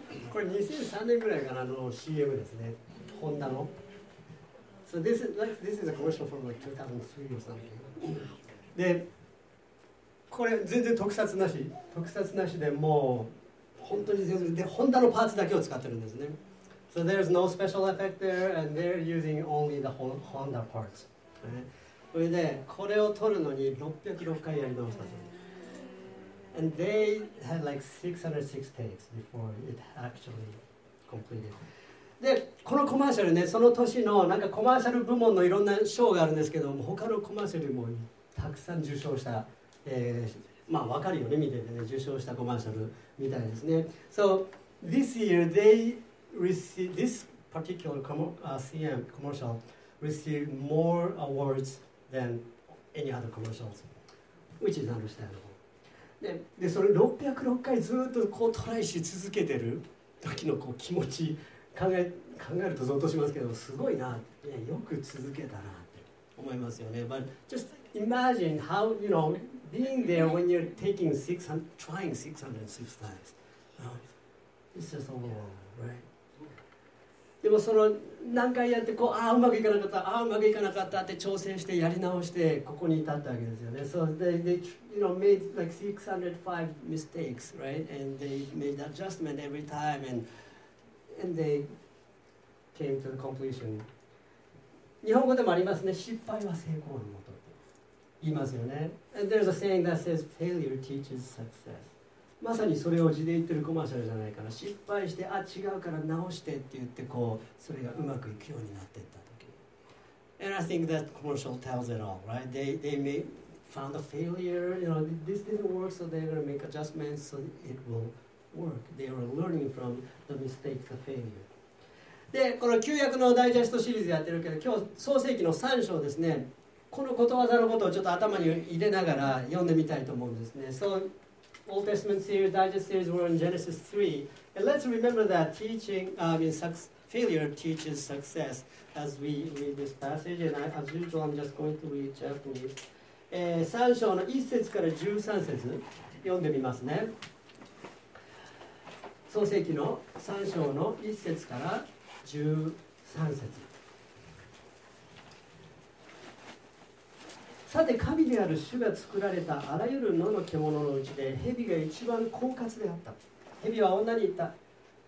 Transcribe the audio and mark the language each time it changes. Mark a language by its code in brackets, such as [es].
[ja] これ2003年ぐらいからの CM ですね。ホンダの。 [en] So this is a commercial from like 2003 or something. [ja] で、これ全然特撮なし、特撮なしでもう本当に全然でホンダのパーツだけを使ってるんですね。 [en] So there's no special effect there, and they're using only the Honda parts. [ja] それでこれを撮るのに606回やり直したんです。 [en] And they had like 606 takes before it actually completed. [ja] で、このコマーシャルね、その年のなんかコマーシャル部門のいろんな賞があるんですけど、他のコマーシャルもたくさん受賞した、まあわかるよね、見ててね、受賞したコマーシャルみたいですね。 [en] So this year this particular CM commercial received more awards than any other commercials, which is understandable. [ja] で、それ606回ずっとこうトライし続けてる時のこう気持ち考えるとゾッとしますけど、すごいな、いや、よく続けたなって思いますよね。 [en] But just imagine how, you know, being there when you're taking 600, trying 606 times. It's just overwhelming, right? [ja] でもその何回やってこう、ああうまくいかなかった、ああうまくいかなかったって挑戦してやり直してここに至ったわけですよね。 [en] So they you know, made like 605 mistakes, right? And they made adjustment every time and they came to the completion. [ja] 日本語でもありますね、失敗は成功のもと言いますよね。 [en] And there's a saying that says failure teaches success. [ja] まさにそれを字で言ってるコマーシャルじゃないかな。失敗して、あ、違うから直してって言ってこう、それがうまくいくようになっていった時。 [en] And I think that commercial tells it all, right? They may found a failure, you know, this didn't work, so they're going to make adjustments so it will work. They are learning from the mistake, the failure. [ja] で、この旧約のダイジェストシリーズやってるけど、今日創世記の3章ですね。このことわざのことをちょっと頭に入れながら読んでみたいと思うんですね。 [en] So,Old Testament series, Digest series were in Genesis 3. And let's remember that failure teaches success as we read this passage. And as usual, I'm just going to read Japanese. [ja] 3章の1節から13節読んでみますね。創世記の3章の1節から13節。さて、神である主が作られたあらゆる野の獣のうちで蛇が一番狡猾であった。蛇は女に言った。